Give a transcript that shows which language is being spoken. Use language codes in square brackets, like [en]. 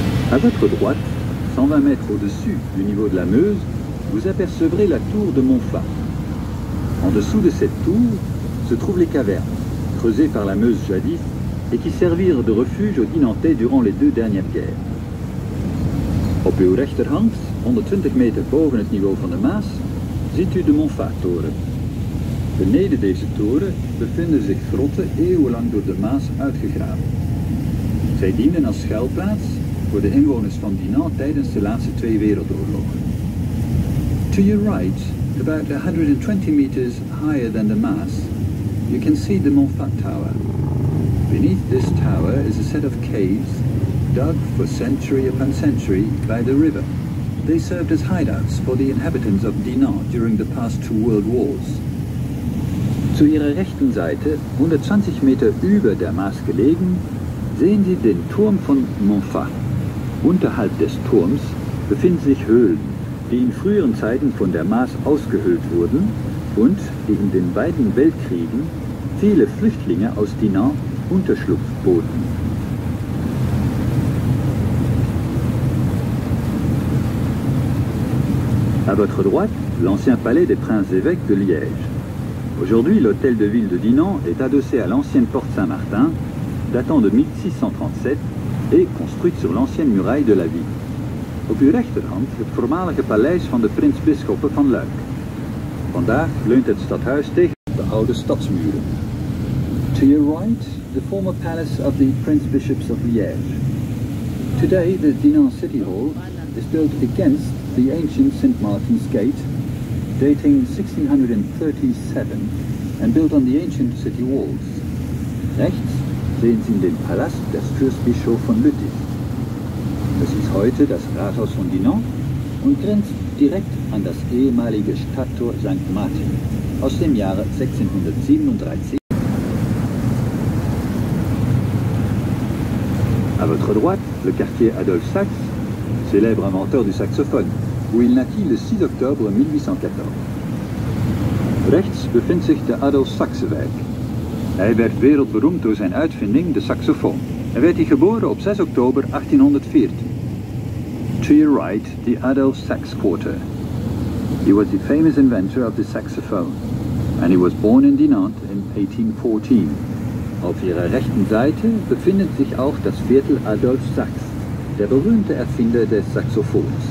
[fr] À votre droite, 120 mètres au-dessus du niveau de la Meuse, vous apercevrez la tour de Montfar. En dessous de cette tour se trouvent les cavernes, creusées par la Meuse jadis et qui servirent de refuge aux Dinantais durant les deux dernières guerres. [nl] Op uw rechterhand, 120 meter boven het niveau van de Maas, ziet u de Montfar-toren. Beneden deze toren bevinden zich grotten eeuwenlang door de Maas uitgegraven. Zij dienden als schuilplaats voor de inwoners van Dinant tijdens de laatste twee wereldoorlogen. [en] To your right, about 120 meters higher than the Maas, you can see the Montfar Tower. Beneath this tower is a set of caves dug for century upon century by the river. They served as hideouts for the inhabitants of Dinant during the past two world wars. [de] Zu ihrer rechten Seite, 120 Meter über der Maas gelegen, sehen Sie den Turm von Montfar. Unterhalb des Turms befinden sich Höhlen, die in früheren Zeiten von der Maas ausgehöhlt wurden und die in den beiden Weltkriegen viele Flüchtlinge aus Dinant Unterschlupf boten. [fr] À votre droite, l'ancien palais des princes-évêques de Liège. Aujourd'hui, l'hôtel de ville de Dinant est adossé à l'ancienne porte Saint-Martin, datant de 1637 et construite sur l'ancienne muraille de la ville. [nl] Op uw rechterhand, het voormalige paleis van de prins-bisschoppen van Luik. Vandaag leunt het stadhuis tegen de oude stadsmuren. [en] To your right, the former palace of the prince-bishops of Liège. Today, the Dinant City Hall is built against the ancient St. Martin's Gate, dating 1637 and built on the ancient city walls. [de] Rechts sehen Sie den Palast des Fürstbischofs von Lüttich. Das ist heute das Rathaus von Dinant und grenzt direkt an das ehemalige Stadttor St. Martin aus dem Jahre 1637. [fr] À votre droite, le quartier Adolphe Sax, célèbre inventeur du saxophone, où il naquit le 6 octobre 1814. [de] Rechts befindt sich der Adolf-Saxe-Wijk. [nl] Hij werd wereldberoemd door zijn uitvinding, de saxofoon. Hij werd geboren op 6 oktober 1814. [en] To your right, the Adolf-Saxe-Quarter. He was the famous inventor of the saxophone. And he was born in Dinant in 1814. [de] Auf ihrer rechten Seite befindet sich auch das Viertel Adolf-Saxe, der berühmte Erfinder des Saxophons.